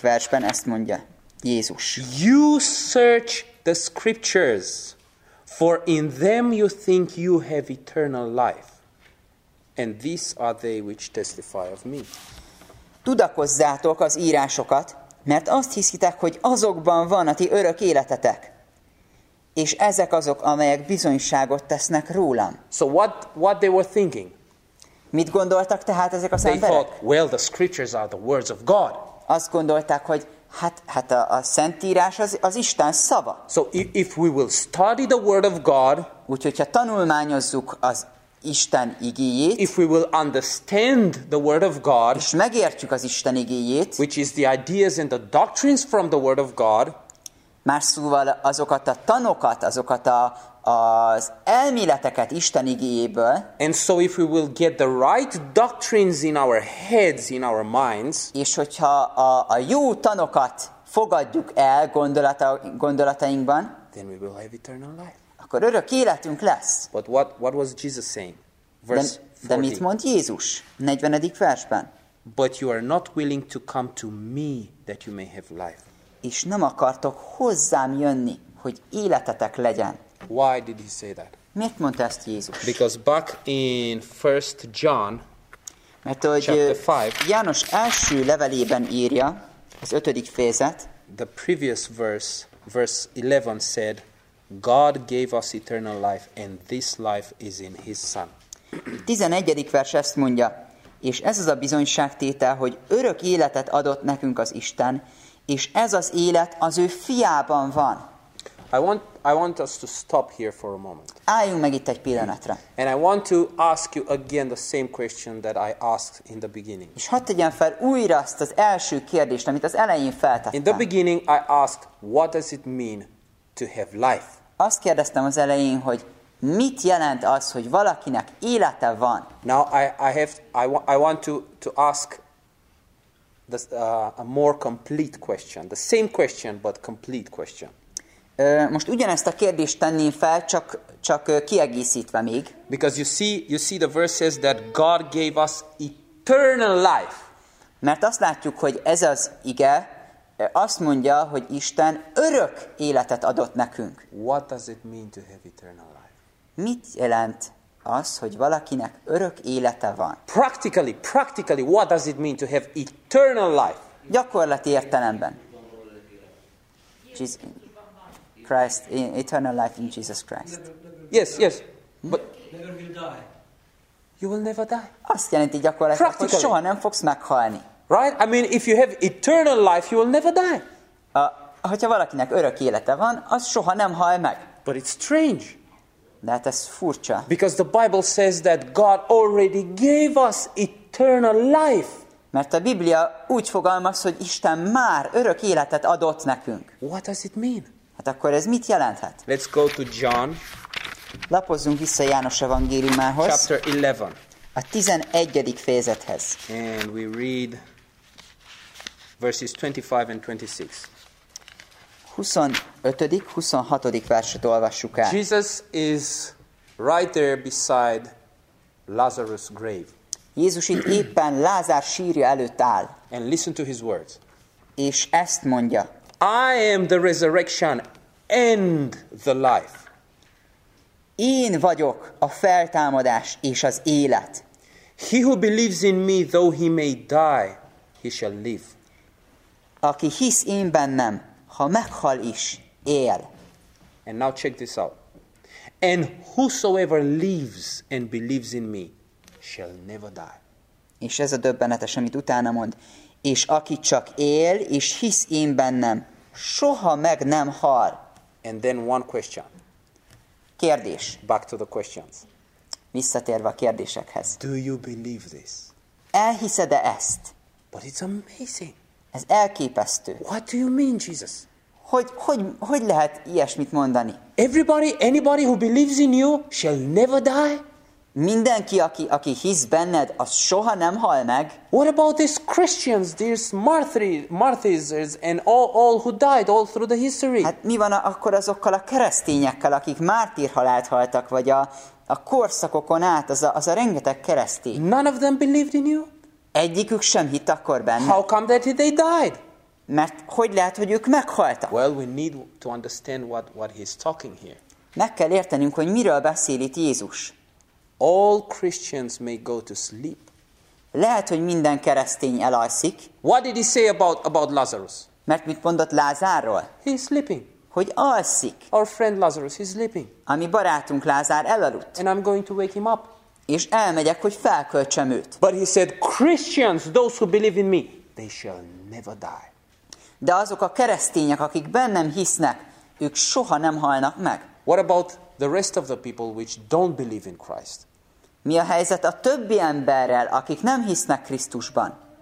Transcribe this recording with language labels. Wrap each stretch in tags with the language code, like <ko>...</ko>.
<hu>versben ezt mondja Jézus.</hu> <en>You search the scriptures, for in them you think you have eternal life, and these are they which testify of me.</en> <hu>Tudakozzátok az írásokat, mert azt hiszitek, hogy azokban van a ti örök életetek, és ezek azok, amelyek bizonyságot tesznek rólam.</hu> <en>So what they were thinking?</en> <hu>Mit gondoltak tehát ezek az emberek?</hu> <en>They thought, well, the scriptures are the words of God.</en> <hu>Azt gondolták, hogy Hát a Szentírás az Isten szava.</hu> <en>So if we will study the word of God,</en> <hu>úgyhogy ha tanulmányozzuk az Isten igéjét,</hu> <en>if we will understand the word of God,</en> <hu>és megértjük az Isten igéjét,</hu> <en>which is the ideas and the doctrines from the word of God,</en> <hu>más szóval azokat a tanokat, azokat az elméleteket Isten igéjéből.</hu> <en>And so if we will get the right doctrines in our heads, in our minds,</en> <hu>és hogyha a jó tanokat fogadjuk el gondolatainkban,</hu> <en>then we will have eternal life.</en> <hu>Akkor örök életünk lesz.</hu> <en>But what was Jesus saying? Verse 40.</en> <hu>De mit mond Jézus? 40. versben.</hu> <en>But you are not willing to come to me that you may have life.</en> <hu>És nem akartok hozzám jönni, hogy életetek legyen.</hu> <en>Why did he say that?</en> <hu>Miért mondta ezt Jézus?</hu> <en>Because back in 1 John</en> <hu>mert, hogy</hu> <en>chapter 5,</en> <hu>János első levelében írja, az ötödik fejezet,</hu> <en>the previous verse, verse 11 said, God gave us eternal life, and this life is in his son.</en> <hu>11. vers ezt mondja, és ez az a bizonyságtétel, hogy örök életet adott nekünk az Isten, és ez az élet az ő fiában van.</hu> <en>I want us to stop here for a moment.</en> <hu>Álljunk meg itt egy pillanatra.</hu> <en>And I want to ask you again the same question that I asked in the beginning.</en> <hu>És hadd tegyem fel újra azt az első kérdést, amit az elején feltettem.</hu> <en>In the beginning I asked, what does it mean to have life?</en> <hu>Azt kérdeztem az elején, hogy mit jelent az, hogy valakinek élete van?</hu> <en>Now I want to ask a more complete question. The same question, but complete question.</en> <hu>Most ugyanezt a kérdést tenném fel, csak kiegészítve még.</hu> <en>Because you see the verses that God gave us eternal life.</en> <hu>Mert azt látjuk, hogy ez az ige azt mondja, hogy Isten örök életet adott nekünk.</hu> <en>What does it mean to have eternal life?</en> <hu>Mit jelent az, hogy valakinek örök élete van?</hu> <en>Practically, what does it mean to have eternal life?</en> <hu>Gyakorlati értelemben.</hu> <en>Christ, eternal life in Jesus Christ. Yes. But never will die. You will never die.</en> <hu>Azt jelenti gyakorlatilag, hogy soha nem fogsz meghalni.</hu> <en>Right? I mean, if you have eternal life, you will never die.</en> <hu>Hogyha valakinek örök élete van, az soha nem hal meg.</hu> <en>But it's strange.</en> <hu>De hát ez furcsa.</hu> <en>Because the Bible says that God already gave us eternal life.</en> <hu>Mert a Biblia úgy fogalmaz, hogy Isten már örök életet adott nekünk.</hu> <en>What does it mean?</en> <hu>Hát akkor ez mit jelenthet?</hu> <en>Let's go to John.</en> <hu>Lapozzunk vissza János evangéliumához.</hu> <en>Chapter 11.</en> <hu>A 11. fejezethez.</hu> <en>And we read verses 25 and 26.</en> <hu>25. 26. verset olvassuk el.</hu> <en>Jesus is right there beside Lazarus' grave.</en> <hu>Jézus itt éppen Lázár sírja előtt áll.</hu> <en>And listen to his words.</en> <hu>És ezt mondja.</hu> <en>I am the resurrection and the life.</en> <hu>Én vagyok a feltámadás és az élet.</hu> <en>He who believes in me, though he may die, he shall live.</en> <hu>Aki hisz én bennem, ha meghal is, él.</hu> <en>And now check this out. And whosoever lives and believes in me shall never die.</en> <hu>És ez a döbbenetes, amit utána mond. És aki csak él és hisz én bennem, soha meg nem hal.</hu> <en>And then one question.</en> <hu>Kérdés.</hu> <en>Back to the questions.</en> <hu>Visszatérve a kérdésekhez.</hu> <en>Do you believe this?</en> <hu>Elhiszed-e ezt?</hu> <en>But it's amazing.</en> <hu>Ez elképesztő.</hu> <en>What do you mean, Jesus?</en> <hu>Hogy lehet ilyesmit mondani?</hu> <en>Everybody, anybody who believes in you shall never die.</en> <hu>Mindenki, aki hisz benned, az soha nem hal meg.</hu> <en>What about these Christians, these Marthas, and all who died all through the history?</en> <hu>Hát mi van akkor azokkal a keresztényekkel, akik mártírhalált haltak, vagy a korszakokon át, az a rengeteg keresztény?</hu> <en>None of them believed in you?</en> <hu>Egyikük sem hitt akkor benned.</hu> <en>How come that they died?</en> <hu>Mert hogy lehet, hogy ők meghaltak?</hu> <en>Well, we need to understand what he's talking here.</en> <hu>Meg kell értenünk, hogy miről beszél itt Jézus.</hu> <en>All Christians may go to sleep.</en> <hu>Lehet, hogy minden keresztény elalszik.</hu> <en>What did he say about Lazarus?</en> <hu>Mert mit mondott Lázárról?</hu> <en>He's sleeping.</en> <hu>Hogy alszik.</hu> <en>Our friend Lazarus, he's sleeping.</en> <hu>A mi barátunk Lázár elaludt.</hu> <en>And I'm going to wake him up.</en> <hu>És elmegyek, hogy felköltsem őt.</hu> <en>But he said, Christians, those who believe in me, they shall never die.</en> <hu>De azok a keresztények, akik bennem hisznek, ők soha nem halnak meg.</hu> <en>What about the rest of the people which don't believe in Christ?</en> <hu>Mi a helyzet a többi emberrel, akik nem hisznek Krisztusban?</hu>